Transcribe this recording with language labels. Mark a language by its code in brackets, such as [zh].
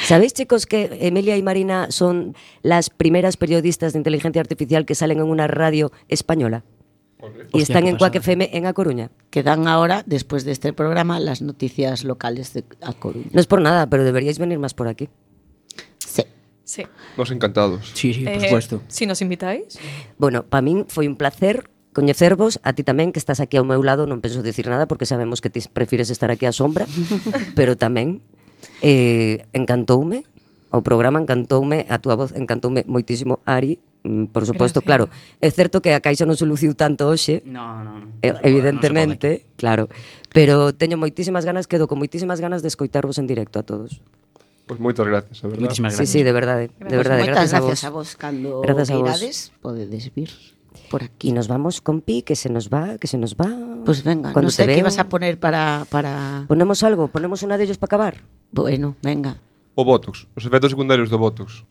[es] ¿Sabéis, chicos, que Emilia y Marina son las primeras periodistas de inteligencia artificial que salen en una radio española? Y están en Cuac FM en A Coruña. Que dan ahora, después de este programa, las noticias locales de A Coruña. No es por nada, pero deberíais venir más por aquí. Sí. Sí. Nos encantados. Sí, sí, por supuesto. Si nos invitáis. [gl] Bueno, para mí fue un placer coñecervos, a ti tamén, que estás aquí ao meu lado, non penso dicir nada porque sabemos que ti prefires estar aquí á sombra, pero tamén... encantoume o programa, encantoume a túa voz, encantoume moitísimo, Ari, por suposto, claro, é certo que a caixa non se luciu tanto hoxe, evidentemente, no, no claro, pero teño moitísimas ganas, quedo con moitísimas ganas de escoitarvos en directo a todos. Pois moitas gracias, a verdade. Moitísimas gracias. Sí, sí, de verdade, gracias. De verdade, gracias a vos. Moitas gracias a vos, cando queirades, podedes vir por aquí. [es] Y nos vamos con Pi, que se nos va. Pues venga, cuando no sé qué vas a poner para... Ponemos algo, ponemos una de ellos para acabar. Bueno, venga. O Botox, los efectos secundarios de Botox.